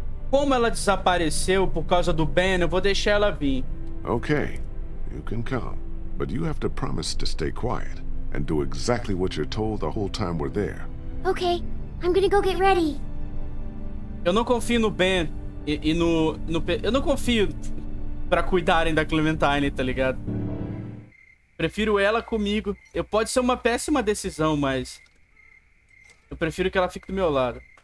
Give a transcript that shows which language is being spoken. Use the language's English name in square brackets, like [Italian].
[Portuguese] Como ela desapareceu por causa do Ben, eu vou deixar ela vir. [English] Okay, you can come. But you have to promise to stay quiet and do exactly what you're told the whole time we're there. Okay, I'm gonna go get ready. [Portuguese] Eu não confio no Ben e no eu não confio pra cuidarem da Clementine, tá ligado? Prefiro ela comigo. Eu pode ser uma péssima decisão, mas eu prefiro que ela fique do meu lado.